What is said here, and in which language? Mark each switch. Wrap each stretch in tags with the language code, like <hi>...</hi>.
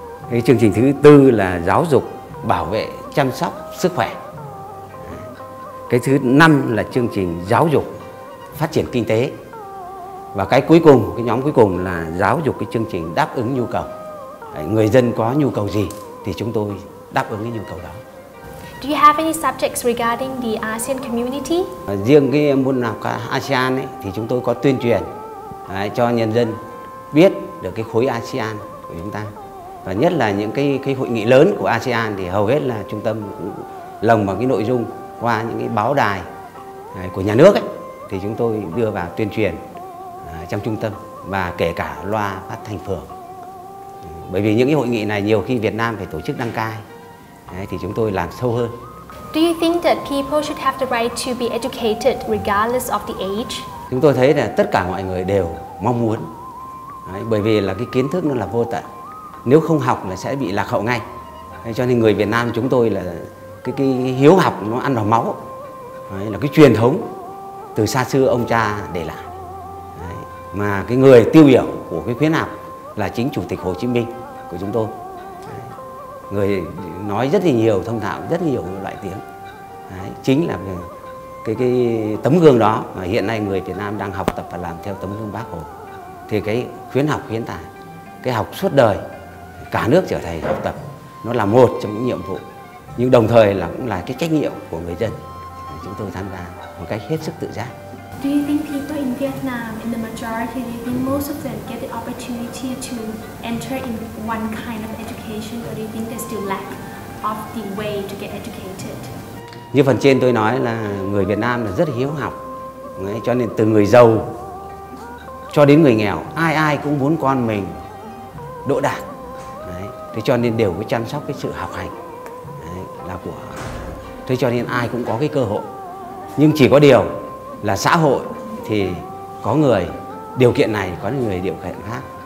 <vi>Cái chương trình thứ tư là giáo dục bảo vệ chăm sóc sức khỏe. Cái thứ năm là chương trình giáo dục phát triển kinh tế. Và cái cuối cùng, cái nhóm cuối cùng là giáo dục cái chương trình đáp ứng nhu cầu. Người dân có nhu cầu gì thì chúng tôi đáp ứng cái nhu cầu đó.</vi> <en>Do you have any subjects regarding the ASEAN community?</en> <vi>Riêng cái môn học ASEAN ấy, thì chúng tôi có tuyên truyền cho nhân dân biết được cái khối ASEAN của chúng ta. Và nhất là những cái hội nghị lớn của ASEAN thì hầu hết là trung tâm cũng lồng vào cái nội dung qua những cái báo đài của nhà nước ấy, thì chúng tôi đưa vào tuyên truyền trong trung tâm và kể cả loa phát thanh phường. Bởi vì những cái hội nghị này nhiều khi Việt Nam phải tổ chức đăng cai. Đấy, thì chúng tôi làm sâu hơn.</vi> <en>Do you think that people should have the right to be educated regardless of the age?</en> <vi>Chúng tôi thấy là tất cả mọi người đều mong muốn. Đấy, bởi vì là cái kiến thức nó là vô tận. Nếu không học là sẽ bị lạc hậu ngay. Đấy, cho nên người Việt Nam chúng tôi là cái hiếu học nó ăn vào máu. Đấy, là cái truyền thống từ xa xưa ông cha để lại. Đấy, mà cái người tiêu biểu của cái khuyến học là chính Chủ tịch Hồ Chí Minh của chúng tôi. Người nói rất là nhiều, thông thạo rất là nhiều loại tiếng. Đấy, chính là cái tấm gương đó mà hiện nay người Việt Nam đang học tập và làm theo tấm gương Bác Hồ. Thì cái khuyến học khuyến tài, cái học suốt đời, cả nước trở thành học tập, nó là một trong những nhiệm vụ. Nhưng đồng thời là cũng là cái trách nhiệm của người dân. Chúng tôi tham gia một cách hết sức tự giác.</vi> <en>Do you think people in Vietnam, in the majority, do you think most of them get the opportunity to enter in one kind of education, or do you think they still lack of the way to get educated?</en> <vi>Như phần trên tôi nói là người Việt Nam là rất hiếu học, đấy, cho nên từ người giàu cho đến người nghèo, ai ai cũng muốn con mình đỗ đạt, đấy, thế cho nên đều có chăm sóc cái sự học hành, đấy, là của, thế cho nên ai cũng có cái cơ hội, nhưng chỉ có điều là xã hội thì có người điều kiện này, có người điều kiện khác.</vi>